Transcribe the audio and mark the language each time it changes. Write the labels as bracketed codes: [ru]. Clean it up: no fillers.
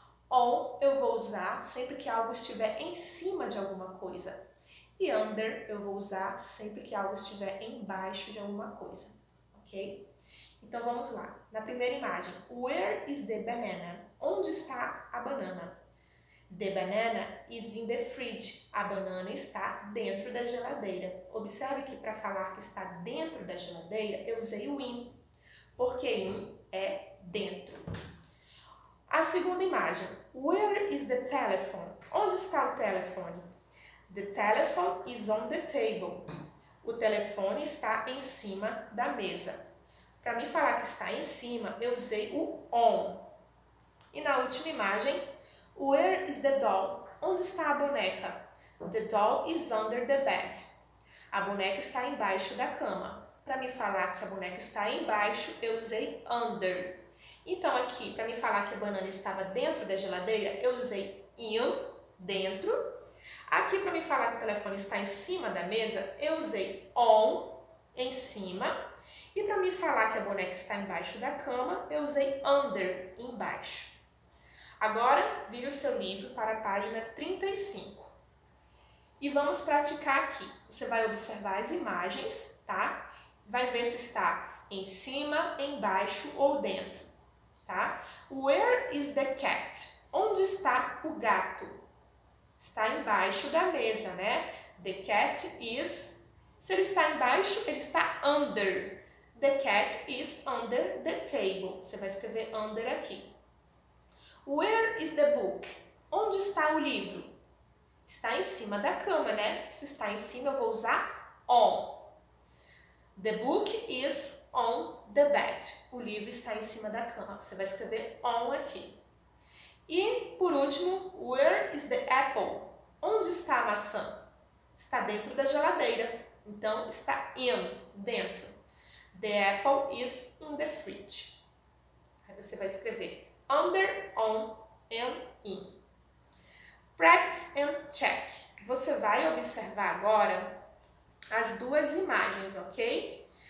[pt] On, eu vou usar sempre que algo estiver em cima de alguma coisa. E under, eu vou usar sempre que algo estiver embaixo de alguma coisa. Ok? Então vamos lá. Na primeira imagem, [en] where is the banana? [pt] Onde está a banana? [en] The banana is in the fridge. [pt] A banana está dentro da geladeira. Observe que para falar que está dentro da geladeira, eu usei o in, porque in é dentro. A segunda imagem, [en] where is the telephone? [pt] Onde está o telefone? [en] The telephone is on the table. [pt] O telefone está em cima da mesa. Para mim falar que está em cima, eu usei o on. E na última imagem, [en] where is the doll? [pt] Onde está a boneca? [en] The doll is under the bed. [pt] A boneca está embaixo da cama. Para me falar que a boneca está embaixo, eu usei under. Então, aqui, para me falar que a banana estava dentro da geladeira, eu usei in, dentro. Aqui, para me falar que o telefone está em cima da mesa, eu usei on, em cima. E para me falar que a boneca está embaixo da cama, eu usei under, embaixo. Agora, vire o seu livro para a página 35. E vamos praticar aqui. Você vai observar as imagens, tá? Vai ver se está em cima, embaixo ou dentro, tá? [en] Where is the cat? [pt] Onde está o gato? Está embaixo da mesa, né? [en] The cat is. [pt] Se ele está embaixo, ele está under. [en] The cat is under the table. [pt] Você vai escrever under aqui. [en] Where is the book? [pt] Onde está o livro? Está em cima da cama, né? Se está em cima, eu vou usar on. [en] The book is on the bed. [pt] O livro está em cima da cama. Você vai escrever on aqui. E, por último, [en] where is the apple? [pt] Onde está a maçã? Está dentro da geladeira. Então, está in, dentro. [en] The apple is in the fridge. [pt] Aí você vai escrever under, on and in. [en] Practice and check. [pt] Você vai observar agora as duas imagens, ok?